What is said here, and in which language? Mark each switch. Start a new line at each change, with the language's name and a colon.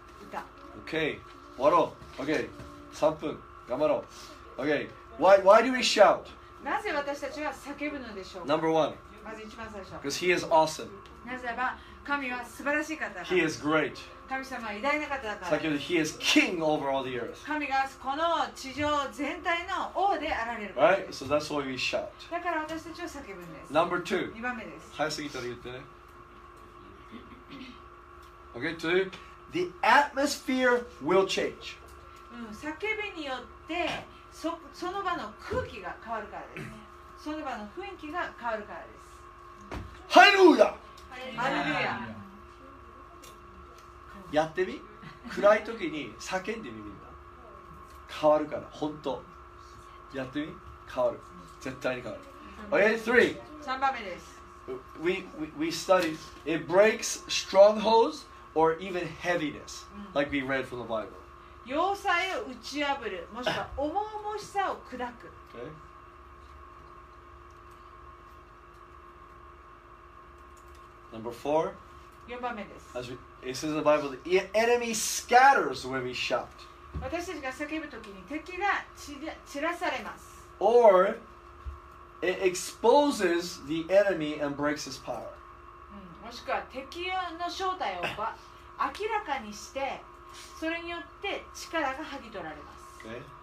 Japanese: 歌。 Okay, 終わろう。Okay, 3分、頑張ろう。
English: Okay, why do we shout?
Japanese: なぜ私たちは叫ぶのでしょうか。
English: Number one.
Japanese: まず一番最初。
English: Because he is awesome.
Japanese: なぜば神は素晴らしい方だから。
English: He is great.
Japanese: 神様は偉大な方だから。
English: 先ほど he is king over all the earth.
Japanese: 神がこの地上全体の王であられる。
English: Right, so that's why we shout.
Japanese: だから私たちは叫ぶんです。
English: Number two.
Japanese: 二番目です。早すぎたら言ってね。
English: Okay, two. The atmosphere will change.
Japanese: 叫びによってその場の空気が変わるからです。その場の雰囲気が変わるからです。ハレルヤ。ハレルヤ。やってみ。暗い時に叫んでみ、みんな。変わるから、本当。やってみ。変わる。絶対に変わる。
English: Okay, three.
Japanese: 三番目です。
English: We studied. It breaks strongholds. Or even heaviness, like we read from the Bible.
Japanese: 要塞を打ち破る、もしくは重々しさを砕く。
English: Number four.
Japanese: 4番目です。
English: It says in the Bible, the enemy scatters when we shout.
Japanese: 私たちが叫ぶときに敵が散らされます。
English: Or it exposes the enemy and breaks his power.
Japanese: もしくは敵の正体を明らかにして、それによって力が剥ぎ取られます。
English: Okay.